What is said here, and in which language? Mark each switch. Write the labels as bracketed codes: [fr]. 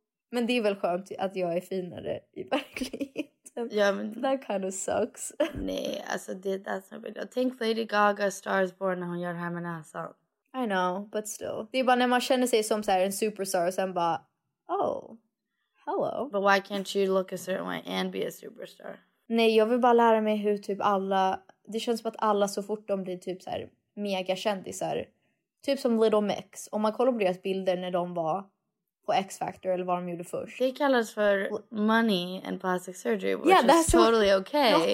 [sv] Men det är väl skönt att jag är finare i verkligheten. Ja, men... [en] That kind of sucks. [sv] Nej, alltså det är så bra. Tänk Lady Gaga, Star is Born, när hon gör det här med näsan. [en] I know, but still. [sv] Det är bara när man känner sig som så här, en superstar och sen bara, [en] oh, hello. But why can't you look a certain way and be a superstar? [sv] Nej, jag vill bara lära mig hur typ alla... Det känns som att alla så fort de blir typ så här megakändisar. Typ som Little Mix. Om man kollar på deras bilder när de var på X-Factor eller vad de gjorde först. Det kallas för [en] money and plastic surgery, which is totally okay.